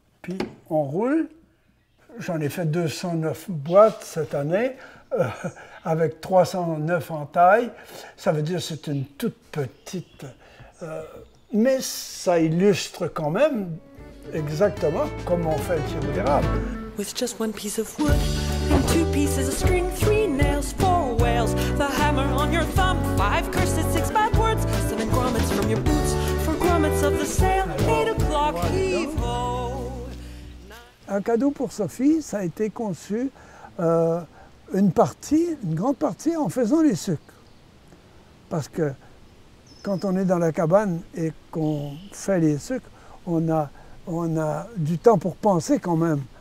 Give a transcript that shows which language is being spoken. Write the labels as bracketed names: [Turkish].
[French] Puis on roule. J'en ai fait 209 boîtes cette année, avec 309 en taille. Ça veut dire que c'est une toute petite. Mais ça illustre quand même exactement comment on fait le sirop d'érable. [English] With just one piece of wood and two pieces of string, three nails, four whales, the hammer on your thumb, five curses, six bad words, seven grommets from your boots, four grommets of the sail, 8 o'clock evil. [French] Un cadeau pour Sophie, ça a été conçu une grande partie en faisant les sucres. Parce que quand on est dans la cabane et qu'on fait les sucres, on a du temps pour penser quand même.